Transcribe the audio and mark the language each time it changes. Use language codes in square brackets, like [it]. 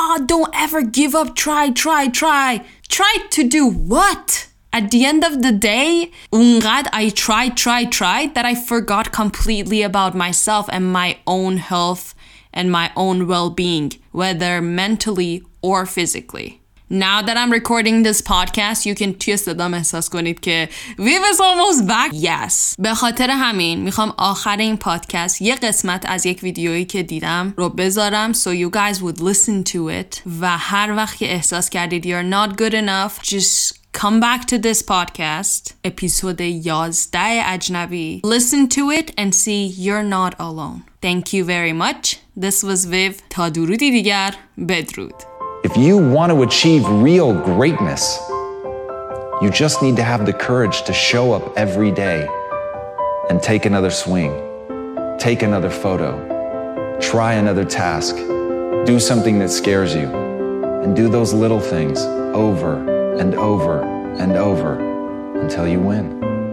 [en] don't ever give up try to do what At the end of the day, [fa] اونقدر [en] I tried that I forgot completely about myself and my own health and my own well-being, whether mentally or physically. Now that I'm recording this podcast, you can [fa] توی صدام احساس کنید که [en] we was almost back. Yes. [fa] به خاطر همین میخوام آخر این پادکست یه قسمت از یک ویدیویی که دیدم رو بذارم [en] so you guys would listen to it [fa] و هر وقت که احساس کردید [en] you're not good enough, just Come back to this podcast, episode 11 Ajnabi. Listen to it and see you're not alone. Thank you very much. This was Viv. [fa] تا درودی دیگر. بدرود. [en] If you want to achieve real greatness, you just need to have the courage to show up every day and take another swing, take another photo, try another task, do something that scares you, and do those little things over and over and over until you win.